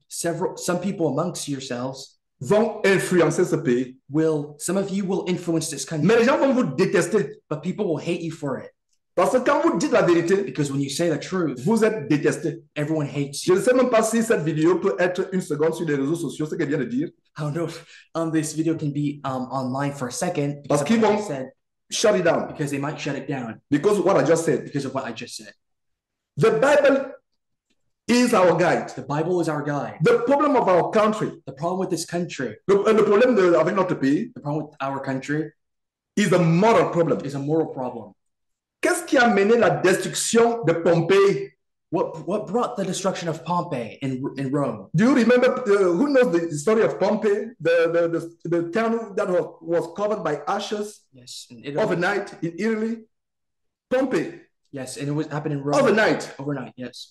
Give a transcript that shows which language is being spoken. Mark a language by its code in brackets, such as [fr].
[en] some people amongst yourselves, [fr] vont influencer ce pays. [en] Some of you will influence this country. [fr] Mais les gens vont vous détester. [en] But people will hate you for it. [fr] Parce que quand vous dites la vérité, [en] because when you say the truth, [fr] vous êtes détesté. [en] Everyone hates you. [fr] Je ne sais même pas si cette vidéo peut être une seconde sur les réseaux sociaux, ce que je viens de dire. [en] I don't know if this video can be online for a second. [fr] Parce qu'ils vont [en] shut it down. Because they might shut it down. Because of what I just said. Because of what I just said. The Bible is our guide. The Bible is our guide. The problem of our country. The problem with this country. The problem of it not to be. The problem with our country. Is a moral problem. Is a moral problem. [fr] Qu'est-ce qui a mené la destruction de Pompéi? [en] What brought the destruction of Pompeii in Rome? Do you remember, who knows the story of Pompeii? The town that was covered by ashes? Yes, in Italy. Overnight in Italy? Pompeii. Yes, and it was happened in Rome. Overnight. Overnight, yes.